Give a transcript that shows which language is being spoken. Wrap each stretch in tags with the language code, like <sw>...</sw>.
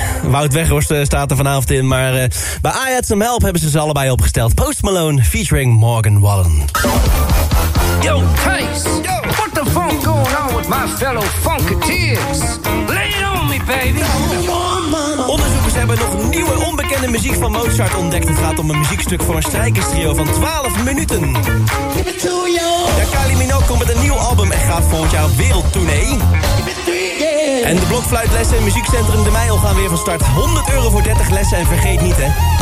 <nl>Wout Weghorst staat er vanavond in, maar bij I Had Some Help hebben ze allebei opgesteld.</nl> <en>Post Malone featuring Morgan Wallen. Yo, Kees, yo, what the funk going on with my fellow funketeers? Lay it on me, baby.</en> <nl>Onderzoekers hebben nog nieuwe onbekende muziek van Mozart ontdekt. Het gaat om een muziekstuk voor een strijkerstrio van 12 minuten.</nl> <en>Give it to you.</en> <nl>Ja, Kylie Minogue komt met een nieuw album en gaat volgend jaar wereldtournee. En de blokfluitlessen en muziekcentrum De Meijel gaan weer van start. €100 voor 30 lessen en vergeet niet, hè.</nl>